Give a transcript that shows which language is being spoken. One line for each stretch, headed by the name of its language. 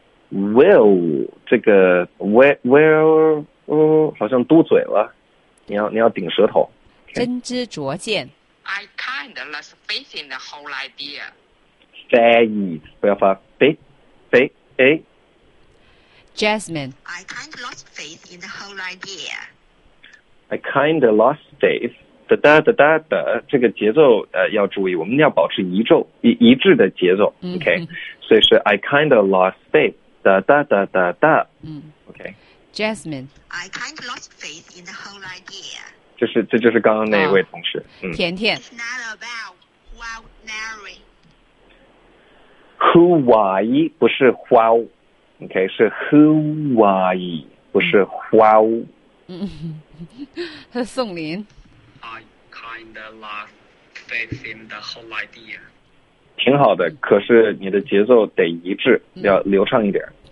English: Will
Chinese: 这个
English: where
Chinese: 好像嘟嘴了你要顶舌头、okay. 真知灼见
English: I kind of lost faith in the whole idea faith
Chinese: 不要发
English: faith Jasmine I kind of lost faith in the whole idea I kind of lost faith.
Chinese: 哒哒哒哒哒，这个节奏要注意，我们要保持一致的节奏。
English: Mm-hmm. OK，
Chinese: 所以是
English: I kind of lost faith. 哒哒哒哒哒。
Chinese: 嗯
English: ，OK。 Jasmine， I kind of lost faith in the whole idea.
Chinese: 这就是刚刚那一位同事。甜甜。
English: It's not about wow Mary. Who why
Chinese: 不是
English: wow， OK 是 who why 不是 wow。
Chinese: 嗯。宋林
English: I kind of lost faith in the whole idea
Chinese: 挺好的可是你的节奏得一致要流畅一点